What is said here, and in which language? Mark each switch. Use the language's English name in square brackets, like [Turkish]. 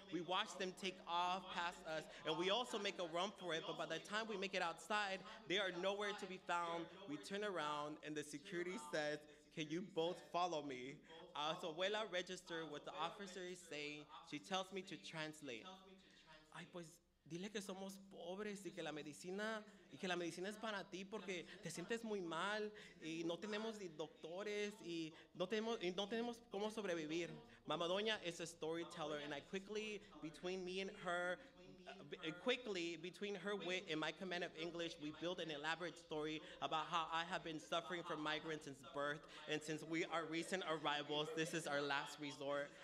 [English] We watch them take off past us, and we also make a run for it, but by the time we make it outside, they are nowhere to be found. We turn around, and the security says, can you both follow me? So abuela registered what the officer is saying. She tells me to translate. [Spanish] Dile que somos pobres y que la medicina es para ti porque te sientes muy mal y no tenemos doctores y no tenemos cómo sobrevivir. [English] Mama Doña is a storyteller, and I quickly, between me and her, quickly, between her wit and my command of English, we build an elaborate story about how I have been suffering from migrants since birth, and since we are recent arrivals, this is our last resort.